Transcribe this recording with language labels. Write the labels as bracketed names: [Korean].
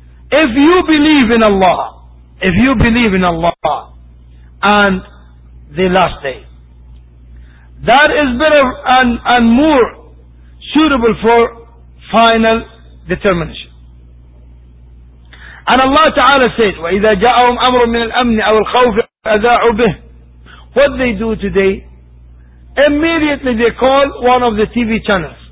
[English] If you believe in Allah, if you believe in Allah and the last day, that is better and more suitable for final determination. And Allah Ta'ala said, [Arabic] وَإِذَا جَاءَهُمْ أَمْرٌ مِنَ الْأَمْنِ أَوَ الْخَوْفِ أَذَاعُوا بِهِ. [English] What they do today, immediately they call one of the TV channels.